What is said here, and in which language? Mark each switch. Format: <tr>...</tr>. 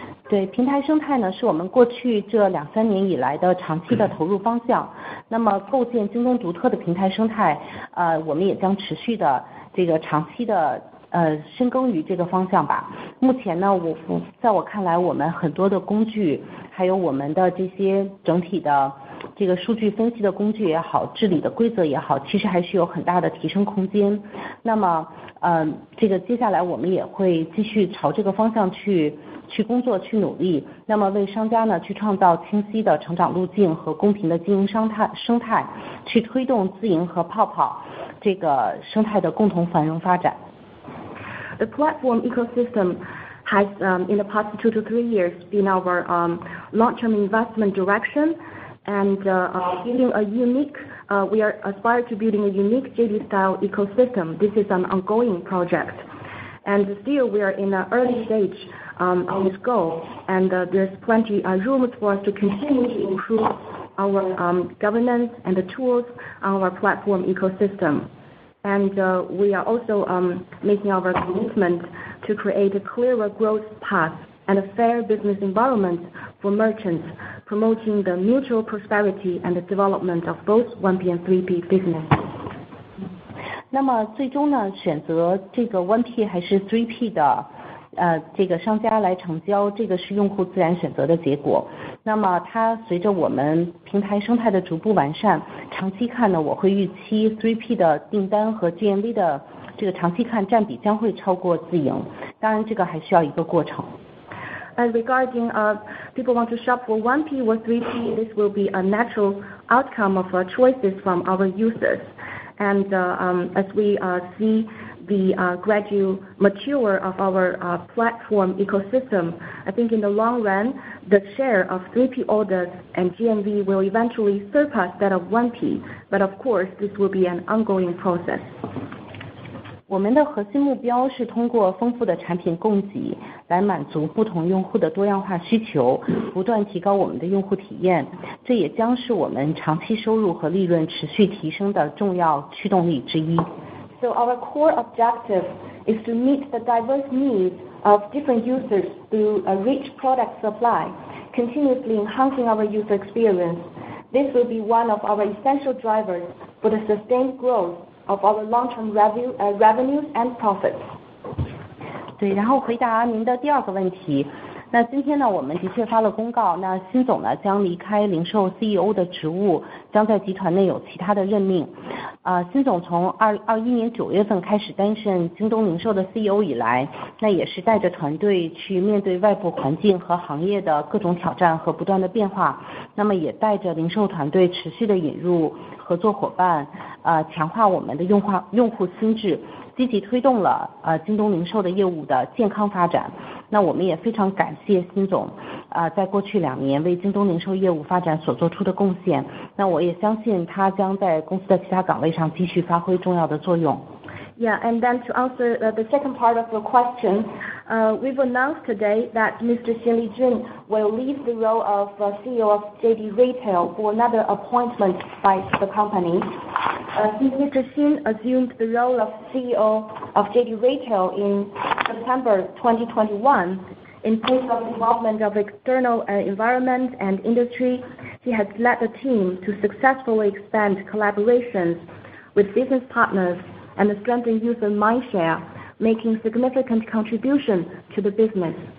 <zh>对平台生态呢，是我们过去这两三年以来的长期的投入方向。那么构建京东独特的平台生态，我们也将持续的这个长期的深耕于这个方向吧。目前呢，在我看来，我们很多的工具，还有我们的这些整体的这个数据分析的工具也好，治理的规则也好，其实还是有很大的提升空间。那么，这个接下来我们也会继续朝这个方向去。去工作去努力，那么为商家呢去创造清晰的成长路径和公平的经营生态，去推动自营和泡泡这个生态的共同繁荣发展。</zh> <en>The platform ecosystem has in the past 2 to 3 years been our long-term investment direction, and building a unique we are aspired to building a unique JD style ecosystem. This is an ongoing project, and still we are in an early stage. On this goal, and there's plenty of room for us to continue to improve our governance and the tools on our platform ecosystem. And we are also making our commitment to create a clearer growth path and a fair business environment for merchants, promoting the mutual prosperity and the development of both 1P and 3P business.</en> <zh>那么最终呢，选择这个 1P 还是 3P 的这个商家来成交，这个是用户自然选择的结果。那么它随着我们平台生态的逐步完善，长期看呢，我会预期 3P 的订单和 GMV 的这个长期看占比将会超过自营。当然这个还需要一个过程。</zh> <en>And regarding people want to shop for 1P or 3P, this will be a natural outcome of choices from our users. And as we see,the gradual mature of our platform ecosystem. I think in the long run, the share of 3P orders and GMV will eventually surpass that of 1P. But of course, this will be an ongoing process.</en> <zh>我们的核心目标是通过丰富的产品供给来满足不同用户的多样化需求，不断提高我们的用户体验。这也将是我们长期收入和利润持续提升的重要驱动力之一。</zh> <en>So our core objective is to meet the diverse needs of different users through a rich product supply, continuously enhancing our user experience. This will be one of our essential drivers for the sustained growth of our long-term revenues and profits.</en> <zh>对，然后回答您的第二个问题。那今天呢，我们的确发了公告，那新总呢将离开零售 CEO 的职务，将在集团内有其他的任命。新总从2021年9月份开始担任京东零售的 CEO 以来，那也是带着团队去面对外部环境和行业的各种挑战和不断的变化，那么也带着零售团队持续的引入合作伙伴，强化我们的用户心智，积极推动了京东零售的业务的健康发展。那我们也非常感谢辛总在过去两年为京东零售业务发展所做出的贡献。那我也相信他将在公司的其他岗位上继续发挥重要的作用。</zh> <en>Yeah, and then to answer the second part of your question, we've announced today that Mr. Xin Lijun will leave the role of CEO of JD Retail for another appointment by the company. Since Mr. Xin assumed the role of CEO of JD Retail in September 2021, in place of involvement of external environment and industry, he has led the team to successfully expand collaborations with business partners and strengthen user mindshare, making significant contribution to the business.</en>